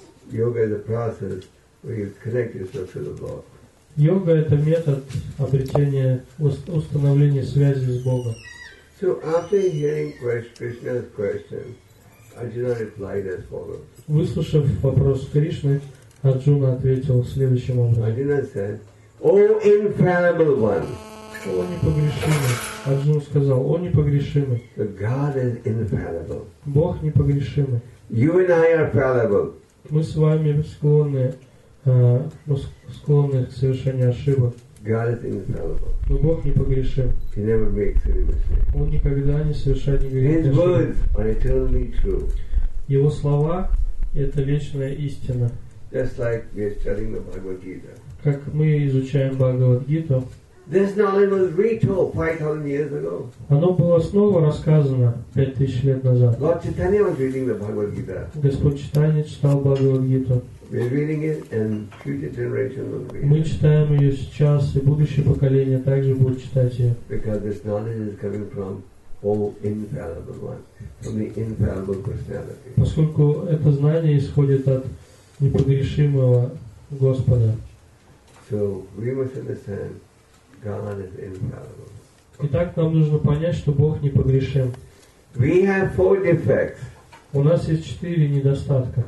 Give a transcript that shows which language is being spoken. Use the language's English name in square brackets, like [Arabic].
[English] Yoga is a process where you connect yourself to the Lord. [Russian] Йога это метод обретения установления связи с Богом. [English] So after hearing Krishna's question, Arjuna replied as follows. [Russian] Выслушав вопрос Кришны, Арджуна ответил следующим образом. [English] Arjuna said, "O infallible one." [Russian] О непогрешимый. Арджуна сказал: "О непогрешимый." [English] The God is infallible. [Russian] Бог непогрешимый. [English] You and I are fallible. [Russian] Мы с вами склонны к совершению ошибок. [English] God is infallible. [Russian] Но Бог непогрешим. [English] He never makes any mistake. [Russian] Он никогда не совершает никаких ошибок. [English] His words are eternally true. [Russian] Его слова – это вечная истина. [English] Just like we are studying the Bhagavad Gita. [Russian] Как мы изучаем Бхагавад-гиту. [English] This knowledge was retold 5,000 years ago. [Russian] Оно было снова рассказано 5,000 лет назад. [English] Lord Chaitanya was reading the Bhagavad Gita. [Russian] Господь Читания читал Бхагавад-гиту. [English] We're reading it, and future generations will read it. [Russian] Мы читаем ее сейчас, и будущее поколение также будет читать ее. [English] Because this knowledge is coming from O infallible one, from the infallible personality. [Russian] Поскольку это знание исходит от непогрешимого Господа. [English] So we must understand. God is infallible. [Russian] Итак, нам нужно понять, что Бог непогрешим. [English] We have 4 defects. [Russian] У нас есть 4 недостатка.